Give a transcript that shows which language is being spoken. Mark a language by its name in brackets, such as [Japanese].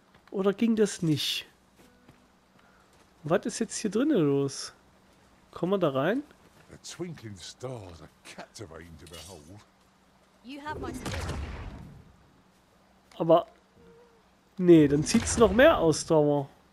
[German] Oder ging das nicht? Was ist jetzt hier drinnen los? Kommen wir da rein? [English] The twinkling stars are captivating to behold. You have my support. [German] Aber nee, dann zieht's noch mehr Ausdauer.